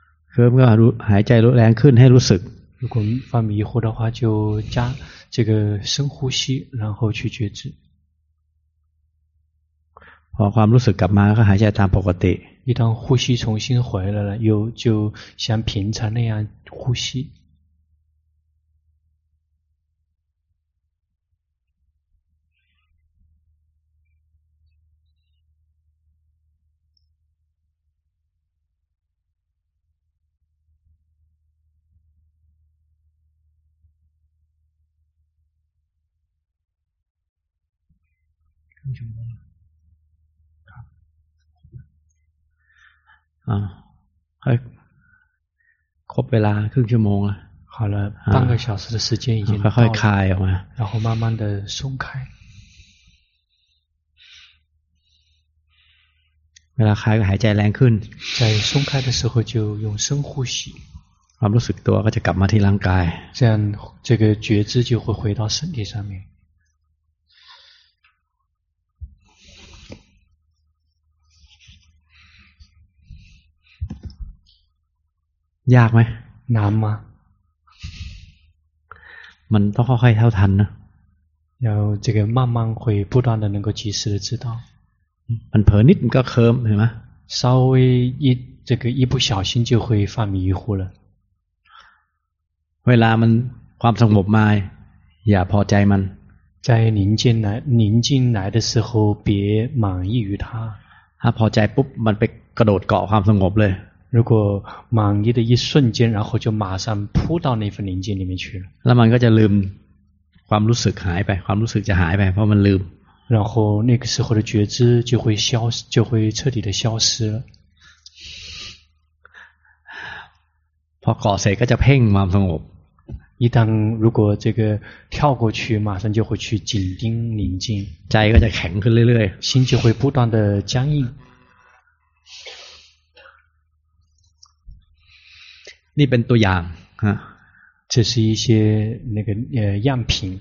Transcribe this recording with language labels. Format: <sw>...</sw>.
<th>เคลิ้มก็หายใจรู้แรงขึ้นให้รู้สึก</th> <zh>如果发迷糊的话就加这个深呼吸然后去觉知</zh> <th>พอความรู้สึกกลับมาก็หายใจตามปกติ</th> <zh>一旦呼吸重新回来了又就像平常那样呼吸</zh> <th>ครบเวลาครึ่งชั่วโมง แล้ว</th> <zh>好了半个小时的时间已经</zh> <th>ค่อยๆคลายออกมา</th> <zh>然后慢慢的松开</zh> <th>เวลาคลายก็หายใจแรงขึ้น</th> <zh>在松开的时候就用深呼吸</zh> <th>ความรู้สึกตัวก็จะกลับมาที่ร่างกาย</th> <zh>这样这个觉知就会回到身体上面</zh> <th>ยากไหม น้ำมามันต้องค่อยๆเท่าทันนะ</th> <zh>要这个慢慢会不断的能够及时的知道</zh> <th>มันเผลอนิดมันก็เคิร์มเห็นไหม</th> <zh>稍微一这个一不小心就会犯迷糊了</zh> <th>เวลามันความสงบมาอย่าพอใจมัน</th> <zh>在宁静来的时候别满意于它</zh> <th>ถ้าพอใจปุ๊บมันไปกระโดดเกาะความสงบเลย</th> <zh>如果满意的一瞬间然后就马上扑到那份宁静里面去了那么就</zh> <th>ลืมความรู้สึกหายไปความรู้สึกจะหายไปเพราะมันลืม</th> <zh>然后那个时候的觉知就会消失就会彻底的消失了</zh> <th>พอเกาะเสร็จก็จะเพ่งความสงบ</th> <zh>一旦如果这个跳过去马上就会去紧盯宁静</zh> <th>ใจก็จะแข็งขึ้นเรื่อย</th> <zh>ๆ心就会不断的僵硬</zh> <th>นี่เป็นตัวอย่างฮะ</th> <zh>这是一些那个样品</zh>